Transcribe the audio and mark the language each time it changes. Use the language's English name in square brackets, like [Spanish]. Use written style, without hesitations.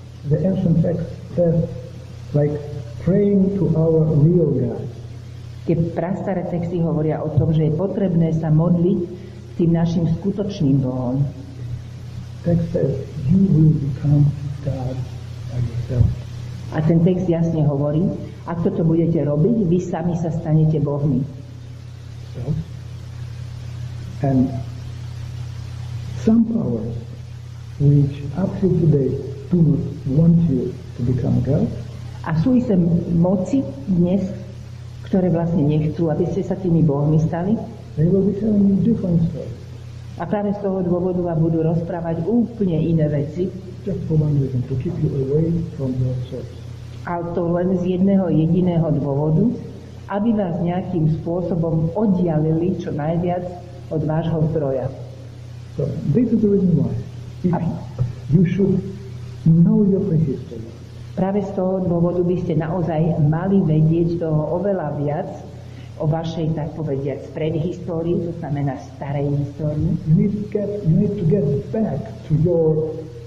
[English] The ancient text says, like praying to our real God. [Slovak] Tie prastaré texty hovoria o tom, že je potrebné sa modliť tým našim skutočným Bohom. [English] Text says, you will become God by yourself. [Slovak] A ten text jasne hovorí, ak toto budete robiť, vy sami sa stanete Bohmi. [English] So, and some powers which up to today do not want you to become God. [Slovak] A sú isté moci dnes, ktoré vlastne nechcú, aby ste sa tými Bohmi stali. [English] They will be telling you different stories. [Slovak] A práve z toho dôvodu vám budú rozprávať úplne iné veci. [English] Just for one reason, to keep you away from yourself. [Slovak] A to len z jedného jediného dôvodu, aby vás nejakým spôsobom oddialili čo najviac od vášho zdroja. [English] So, this is the reason why. You should know your prehistory. [Slovak] Práve z toho dôvodu by ste naozaj mali vedieť toho oveľa viac, o vašej, tak povediac, predhistórii, to znamená starej histórii. [English] You need to get back to your,